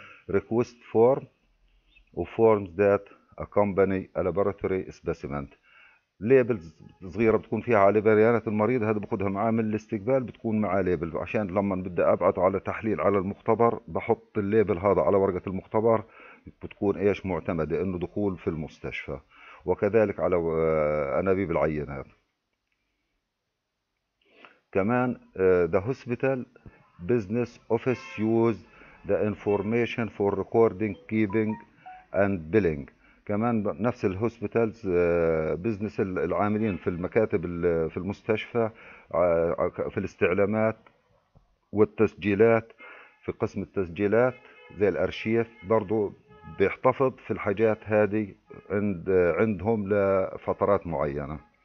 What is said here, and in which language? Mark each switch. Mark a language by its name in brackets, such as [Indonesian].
[English] request form وفورمز that accompany laboratory specimen, [Arabic] ليبلز صغيره بتكون فيها على بيانات المريض، هذا باخذها معاه من الاستقبال، بتكون معاه ليبل عشان لما بدي ابعث على تحليل على المختبر بحط الليبل هذا على ورقه المختبر، بتكون ايش معتمده انه دخول في المستشفى، وكذلك على انابيب العينات. كمان [English] the hospital business office use the information for recording, keeping and billing. [Arabic] كمان نفس الـ [English] hospitals business [Arabic] العاملين في المكاتب في المستشفى في الاستعلامات والتسجيلات، في قسم التسجيلات زي الأرشيف برضو بيحتفظ في الحاجات هذه عندهم لفترات معينة.